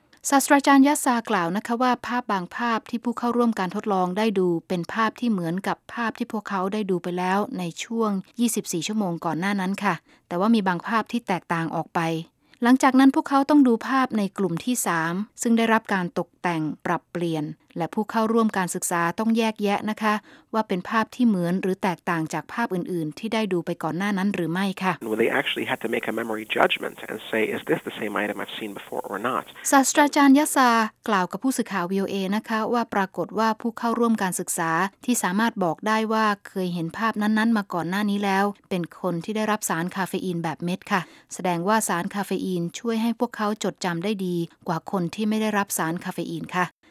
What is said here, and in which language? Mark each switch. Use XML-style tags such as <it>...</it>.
<th>ศาสตราจารย์ยัสซากล่าวนะคะว่าภาพบางภาพที่ผู้เข้าร่วมการทดลองได้ดูเป็นภาพที่เหมือนกับภาพที่พวกเขาได้ดูไปแล้วในช่วง24ชั่วโมงก่อนหน้านั้นค่ะแต่ว่ามีบางภาพที่แตกต่างออกไปหลังจากนั้นพวกเขาต้องดูภาพในกลุ่มที่3ซึ่งได้รับการตกแต่งปรับเปลี่ยนและผู้เข้าร่วมการศึกษาต้องแยกแยะนะคะว่าเป็นภาพที่เหมือนหรือแตกต่างจากภาพอื่นๆที่ได้ดูไปก่อนหน้านั้นหรือไม่ค่ะ</th> <en>Well, they actually had to make a memory judgment and say is this the same item I've seen before or not</en> <th>ศาสตราจารย์ยัสซากล่าวกับผู้สื่อข่าว VOA นะคะว่าปรากฏว่าผู้เข้าร่วมการศึกษาที่สามารถบอกได้ว่าเคยเห็นภาพนั้นๆมาก่อนหน้านี้แล้วเป็นคนที่ได้รับสารคาเฟอีนแบบเม็ดค่ะแสดงว่าสารคาเฟอีนช่วยให้พวกเขาจดจำได้ดีกว่าคนที่ไม่ได้รับสารคาเฟอีนค่ะ</th>